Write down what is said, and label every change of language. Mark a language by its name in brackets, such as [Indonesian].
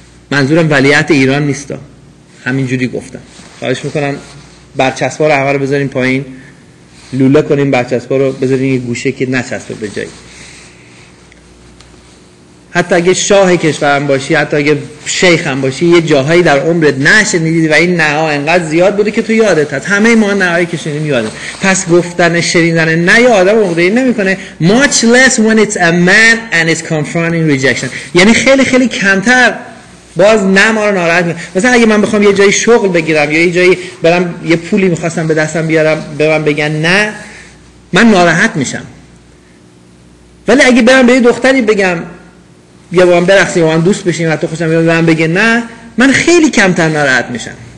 [Persian] منظورم ولیعت ایران نیستا، همینجوری گفتم. خواهش میکنم برچسبا رو همه رو بذاریم پایین، لوله کنیم برچسبا رو، بذاریم یه گوشه که نچسبه به جایی. حتی اگه شاه کشورم باشی، حتی اگه شیخم باشی، یه جاهایی در عمرت نشنیدی و این نه ها انقدر زیاد بوده که تو یادت هست. همه ما نه هایی که شنیدیم یادت. پس گفتن شنیدن نه یه آدم عقده‌ای نمی‌کنه. [English] Much less when it's a man and it's confronting rejection. [Persian] یعنی خیلی خیلی کمتر باز نه ما رو ناراحت می‌کنه. مثلا اگه من بخوام یه جایی شغل بگیرم یا یه جایی برم یه پولی می‌خواستم به دستم بیارم به من بگن نه، من ناراحت میشم. ولی اگه برم به یه دختری بگم یا با هم برخصیم و با هم دوست بشیم و حتی خوشم بیاد و هم بگه نه، من خیلی کمتر ناراحت میشم.